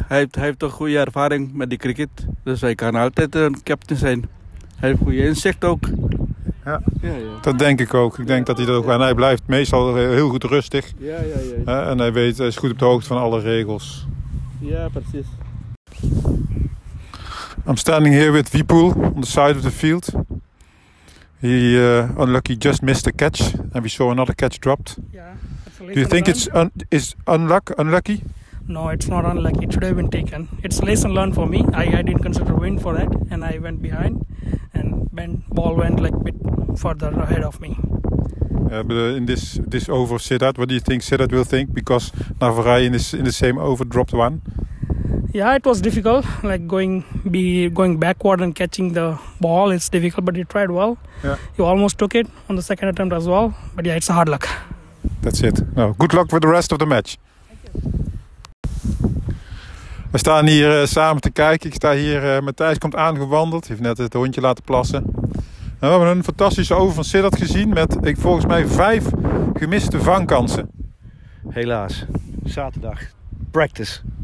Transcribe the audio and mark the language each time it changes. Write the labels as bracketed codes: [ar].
[nl] Hij heeft een goede ervaring met die cricket. Dus hij kan altijd een captain zijn. Hij heeft goede inzicht ook. Ja, dat denk ik ook. Ik denk dat hij dat ook. En hij blijft meestal heel goed rustig. Ja. En hij is goed op de hoogte van alle regels. Ja, precies. [en] I'm standing here with Wipul on the side of the field. He unlucky just missed a catch, and we saw another catch dropped. Yeah, absolutely. Do you think it's unlucky? No, it's not unlucky. It should have been taken. It's a lesson learned for me. I didn't consider win for that, and I went behind, and ball went like a bit further ahead of me. But in this over Siddharth, what do you think Siddharth will think? Because Navarai in the same over dropped one. Yeah, it was difficult, like going backward and catching the ball. It's difficult, but he tried well. Yeah. He almost took it on the second attempt as well. But yeah, it's a hard luck. That's it. No, good luck with the rest of the match. Thank you. [nl] We staan hier samen te kijken. Ik sta hier, Matthijs komt aangewandeld. Hij heeft net het hondje laten plassen. En we hebben een fantastische over van Siddharth gezien met, volgens mij, 5 gemiste vangkansen. Helaas, zaterdag. Practice.